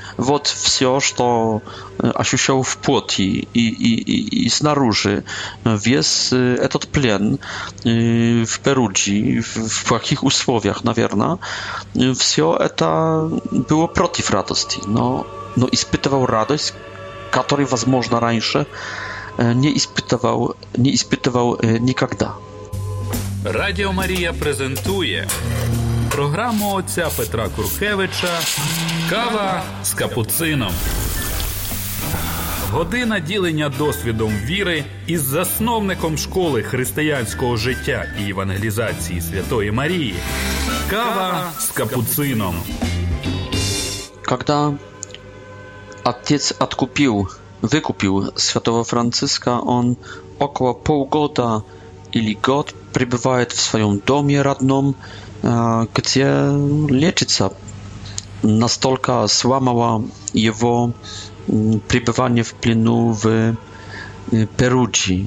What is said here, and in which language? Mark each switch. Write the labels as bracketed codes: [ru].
[ru] Вот все, что ощущал в плоти и снаружи, весь этот плен в Перуджи, в плохих условиях, наверное, все это было против радости. Но испытывал радость, которой, возможно, раньше не испытывал никогда. [uk] Радіо Марія презентує програму отця Петра Куркевича «Кава з капуцином». Година ділення досвідом віри із засновником школи християнського життя і евангелізації Святої Марії «Кава з капуцином». [ru] Коли отець викупив святого Франциска, він около півгода или год пребывает в своем доме родном, где лечится. Настолько сломало его пребывание в плену в Перуджи.